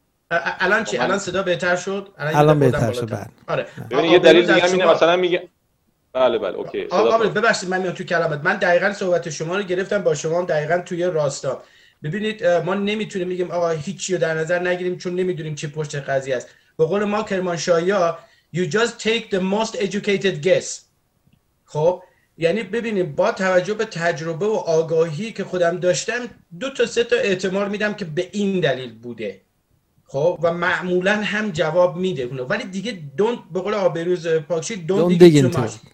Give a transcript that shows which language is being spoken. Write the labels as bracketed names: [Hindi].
[Persian] الان چی؟ الان صدا بهتر شد؟ الان بهتر شد. بله. ببینید یه دلیل دیگه اینه، مثلا میگه بله بله اوکی. آقا ببخشید من میام تو کلامت، من دقیقاً صحبت شما رو گرفتم با شما دقیقاً توی راستا. ببینید ما نمیتونیم بگیم آقا هیچی رو در نظر نگیریم چون نمیدونیم چه پشت قضیه است. به قول ما کرمانشاهیا [English] you just take the most educated guess. [Persian] خب یعنی ببینید با توجه به تجربه و آگاهی که خودم داشتم دو تا سه تا احتمال میدم که به این دلیل بوده. خب و معمولا هم جواب میده اونو، ولی دیگه [English] don't [Persian] به قول آبروز پاکشی [English] don't dig too much.